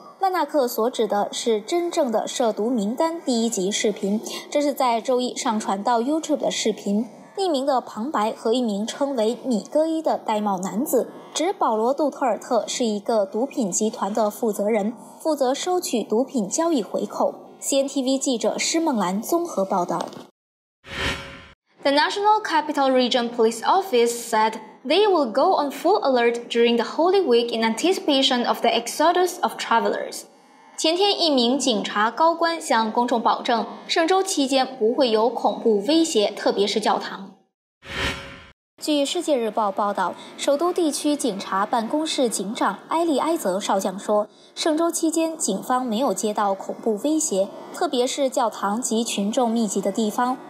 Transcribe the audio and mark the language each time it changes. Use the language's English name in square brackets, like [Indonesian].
[Chinese] 万纳克所指的是真正的涉毒名单第一集视频，这是在周一上传到 YouTube 的视频。匿名的旁白和一名称为米戈伊的戴帽男子指保罗·杜特尔特是一个毒品集团的负责人，负责收取毒品交易回扣。 CNTV 记者施梦兰综合报道。 [English] The National Capital Region Police Office said they will go on full alert during the Holy Week in anticipation of the exodus of travelers. [Chinese] 前天，一名警察高官向公众保证，圣周期间不会有恐怖威胁，特别是教堂。据《世界日报》报道，首都地区警察办公室警长埃利埃泽少将说，圣周期间警方没有接到恐怖威胁，特别是教堂及群众密集的地方。